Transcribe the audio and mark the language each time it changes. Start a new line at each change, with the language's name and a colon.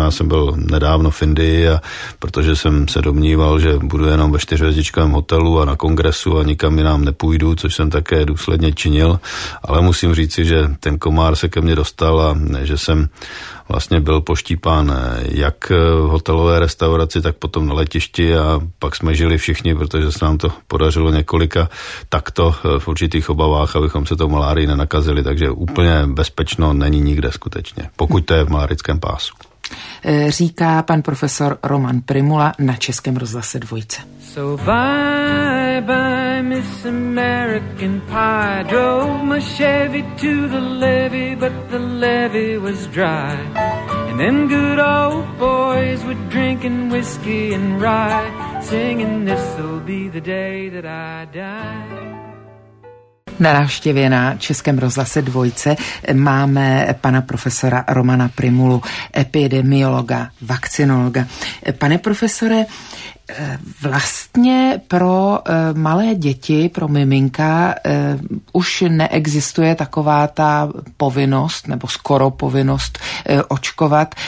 Czech: Já jsem byl nedávno v Indii a protože jsem se domníval, že budu jenom ve 4-hvězdičkovém hotelu a na kongresu a nikam jinam nepůjdu, což jsem také důsledně činil, ale musím říci, že ten komár se ke mně dostal a že jsem vlastně byl poštípán jak v hotelové restauraci, tak potom na letišti a pak jsme žili všichni, protože se nám to podařilo několika takto v určitých obavách, abychom se tou malárií nenakazili, takže úplně bezpečno není nikde skutečně, pokud to je v malarickém pásu. Říká pan profesor Roman Primula na Českém rozhlase Dvojce.
English: So bye bye Miss American Pie, drove my Chevy to the levee, but the levee was dry. And them good old boys were drinking whiskey and rye, singing this'll be the day that I die.
Czech: Na návštěvě na Českém rozhlase Dvojce máme pana profesora Romana Primulu, epidemiologa, vakcinologa. Pane profesore, vlastně pro malé děti, pro miminka, už neexistuje taková ta povinnost, nebo skoro povinnost očkovat.